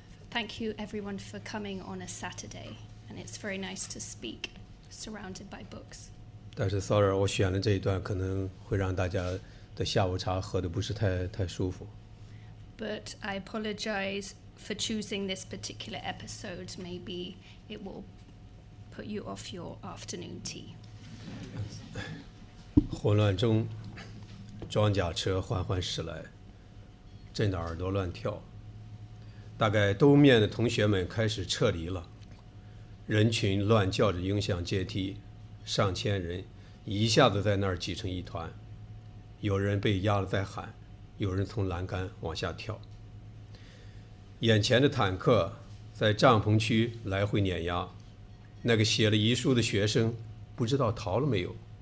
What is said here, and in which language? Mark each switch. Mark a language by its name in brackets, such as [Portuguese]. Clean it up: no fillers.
[English] Thank you everyone for coming on a Saturday, and it's very nice to speak surrounded by books. [Chinese] 但是 sorry, 我选了这一段可能会让大家的下午茶喝得不是太舒服。 [English] But I apologize for choosing this particular episode. Maybe it will put you off your afternoon tea. [Chinese] 混乱中装甲车缓缓驶来，震得耳朵乱跳。大概兜面的同学们开始撤离了，人群乱叫着影响阶梯，上千人一下子在那儿挤成一团，有人被压了在喊，有人从栏杆往下跳。眼前的坦克在帐篷区来回碾压，那个写了遗书的学生不知道逃了没有。